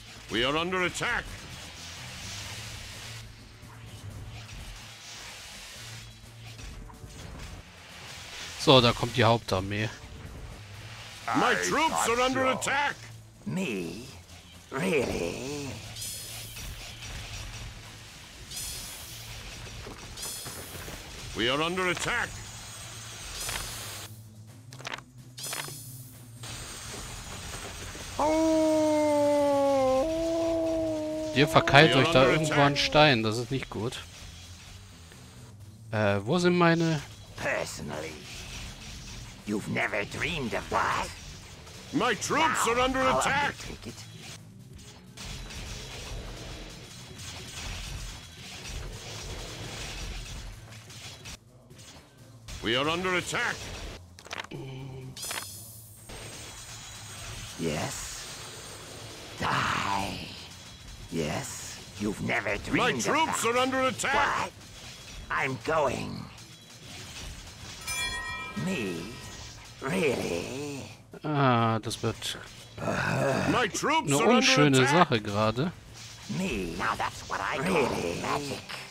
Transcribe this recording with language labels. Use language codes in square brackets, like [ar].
[en] We are under attack. [de] So, da kommt die Hauptarmee. [en] My troops are under attack. Me? Really? We are under attack. [de] Ihr verkeilt euch da irgendwo an Stein, das ist nicht gut. Wo sind meine? [en] Personally, you've never dreamed of what? My troops are under attack! We are under attack! Yes. Die. Yes, you've never dreamed of that. My troops are under attack! What? I'm going. Me? Really? [de] Ah, das wird eine unschöne Sache gerade. [en] Me? Now that's what I call magic.